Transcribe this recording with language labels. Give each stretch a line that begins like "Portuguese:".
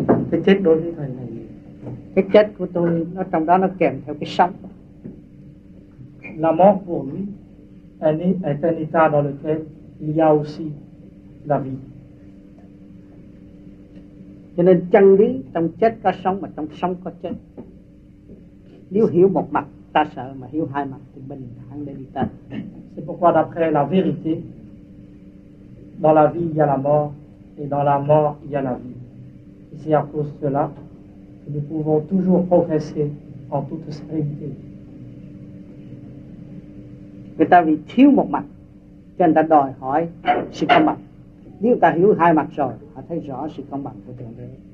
Vietnamese: Cái chết đối với thầy này, cái chết của tôi nó trong đó nó kèm theo cái sống.
French: La mort pour lui est un état dans lequel il y a aussi la vie.
Vietnamese: Cho nên chân lý trong chết có sống mà trong sống có chết. Nếu hiểu một mặt ta sợ, mà hiểu hai mặt thì mình thắng để đi ta.
French: C'est pourquoi d'après la vérité, dans la vie il y a la mort, et dans la mort il y a la vie. Et c'est à cause de cela que nous pouvons toujours progresser en toute sérénité.
Vietnamese: Người ta vì thiếu một mặt, cho nên ta đòi hỏi sự công bằng. Nếu ta hiểu hai mặt rồi, họ thấy rõ sự công bằng của Thượng Đế.